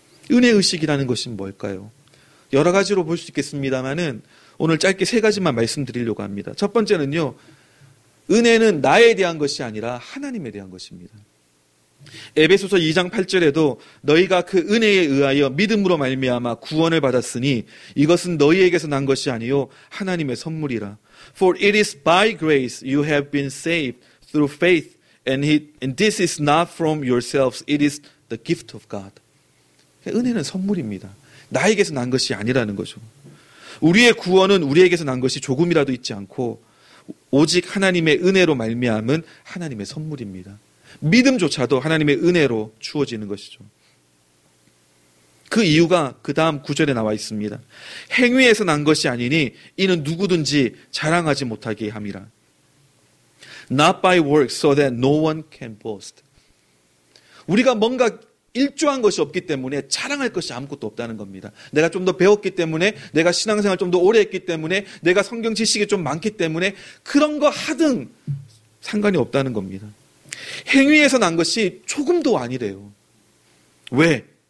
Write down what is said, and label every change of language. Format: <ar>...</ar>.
<ko>은혜의식이라는 것이 뭘까요? 여러 가지로 볼 수 있겠습니다만은 오늘 짧게 세 가지만 말씀드리려고 합니다. 첫 번째는요. 은혜는 나에 대한 것이 아니라 하나님에 대한 것입니다. 에베소서 2장 8절에도 너희가 그 은혜에 의하여 믿음으로 말미암아 구원을 받았으니 이것은 너희에게서 난 것이 아니요 하나님의 선물이라.</ko> <en>For it is by grace you have been saved through faith and this is not from yourselves, it is the gift of God.</en> <ko>은혜는 선물입니다. 나에게서 난 것이 아니라는 거죠. 우리의 구원은 우리에게서 난 것이 조금이라도 있지 않고 오직 하나님의 은혜로 말미암은 하나님의 선물입니다. 믿음조차도 하나님의 은혜로 주어지는 것이죠. 그 이유가 그 다음 구절에 나와 있습니다. 행위에서 난 것이 아니니 이는 누구든지 자랑하지 못하게 함이라.</ko> <en>Not by works so that no one can boast.</en> <ko>우리가 뭔가 일조한 것이 없기 때문에 자랑할 것이 아무것도 없다는 겁니다. 내가 좀 더 배웠기 때문에 내가 신앙생활 좀 더 오래 했기 때문에 내가 성경 지식이 좀 많기 때문에 그런 거 하든 상관이 없다는 겁니다. 행위에서 난 것이 조금도 아니래요. 왜?</ko>